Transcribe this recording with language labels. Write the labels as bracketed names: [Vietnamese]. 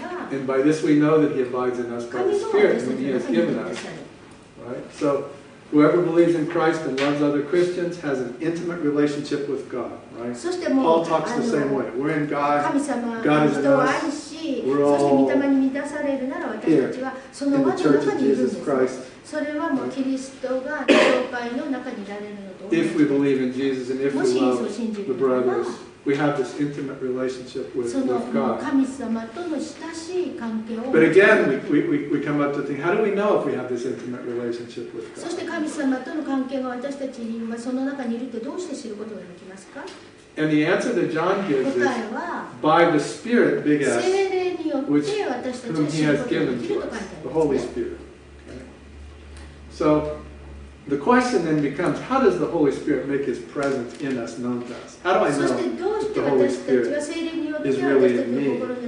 [English] And by this we know that he abides in us by the Spirit that he has given us. Right? So whoever believes in Christ and loves other Christians has an intimate relationship with God. Right? [Japanese] そしてもう [English] Paul talks the same way. We're in God. [Japanese] 神様は人を愛し、そして御霊に満たされるなら私たちはその輪の中にいるんです。それはもうキリストが教会の中にいられるのと同じ。 [English] If we believe in Jesus and if we love the brothers, we have this intimate relationship with God. [Japanese] その神様との親しい関係を。 [English] But again, we come up to think, how do we know if we have this intimate relationship with God? [Japanese] そして神様との関係が私たちにその中にいるってどうして知ることができますか？ [English] And the answer that John gives is by the Spirit, big S, which whom He has given to us, the Holy Spirit.、Okay. So the question then becomes, how does the Holy Spirit make His presence in us known to us? How do I know that the Holy Spirit is really in me?